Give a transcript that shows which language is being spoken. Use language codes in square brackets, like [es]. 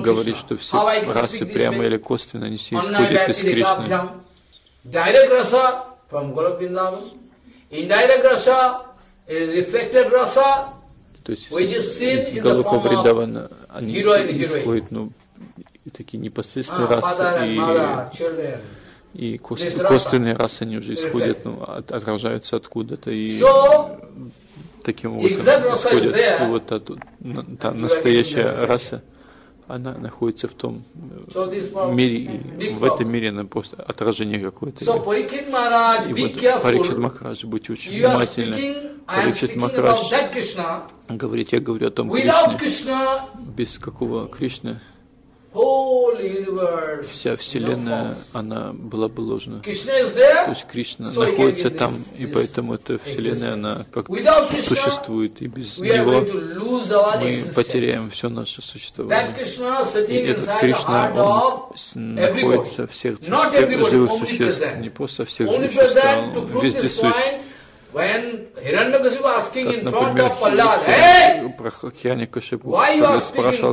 [ru] говорит, что все расы прямо или косвенно не все исходят из Кришны. [en] Direct rasa from Gopinath. Indirect rasa is reflected rasa, which is seen in the form of hero and heroine. [ru] И такие непосредственные расы, и косвенные расы, они уже исходят, ну, отражаются откуда-то, и [en] so, [ru] таким образом исходят. [en] There, [ru] вот та, та настоящая раса, она находится в том мире, и в этом мире она просто отражение какое-то. [en] So, Парикшит Махарадж, [ru] вот, Парикшит Махарадж, будьте очень внимательны. Парикшит Махарадж говорит, я говорю о том Кришне, [en] Krishna, [ru] без какого Кришны, вся Вселенная, она была бы ложна. То есть Кришна находится там, и поэтому эта Вселенная, она как-то существует. И без Него мы потеряем все наше существование. И этот Кришна, он находится в сердце всех живых существ, не просто всех существ, он везде существует. [en] When Hiranyakashipu was asking in front of Prahlad, hey, why are you speaking